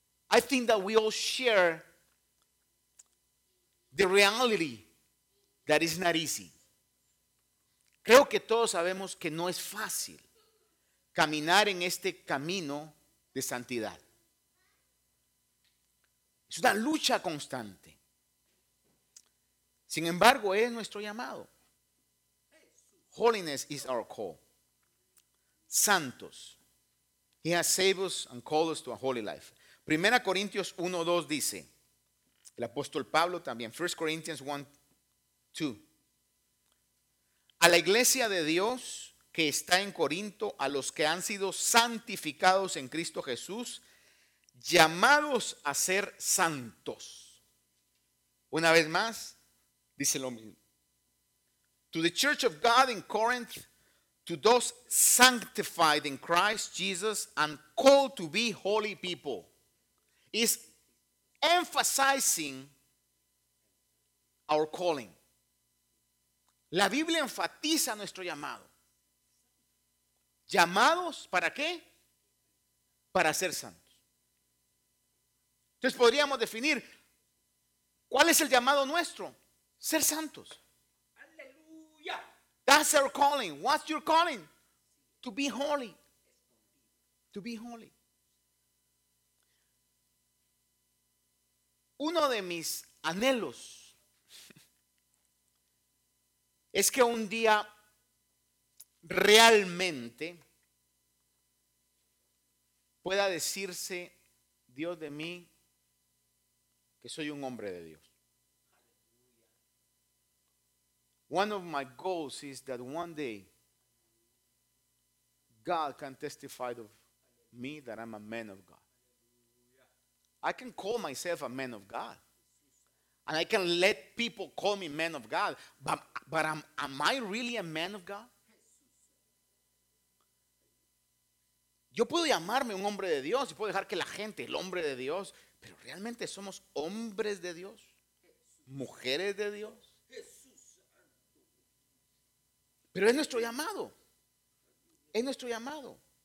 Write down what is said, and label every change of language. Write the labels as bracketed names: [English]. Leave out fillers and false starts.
[English] I think that we all share the reality that is not easy. [Spanish] Creo que todos sabemos que no es fácil caminar en este camino de santidad. Es una lucha constante. Sin embargo, es nuestro llamado. [English] Holiness is our call. Santos. He has saved us and called us to a holy life. [Spanish] Primera Corintios 1:2 dice, el apóstol Pablo también, 1 Corintios 1:2. A la iglesia de Dios que está en Corinto, a los que han sido santificados en Cristo Jesús, llamados a ser santos. Una vez más, dice lo mismo. [English] To the church of God in Corinth, to those sanctified in Christ Jesus and called to be holy people, is emphasizing our calling. [Spanish] La Biblia enfatiza nuestro llamado. ¿Llamados para qué? Para ser santos. Entonces podríamos definir, ¿cuál es el llamado nuestro? Ser santos. [English] That's our calling. What's your calling? To be holy. To be holy. [Spanish] Uno de mis anhelos es que un día realmente pueda decirse Dios de mí que soy un hombre de Dios. [English] One of my goals is that one day God can testify of me that I'm a man of God. I can call myself a man of God. And I can let people call me man of God. But am I really a man of God? [Spanish] Yo puedo llamarme un hombre de Dios y puedo dejar que la gente, el hombre de Dios, pero realmente somos hombres de Dios, mujeres de Dios. Pero es nuestro llamado. Es nuestro llamado.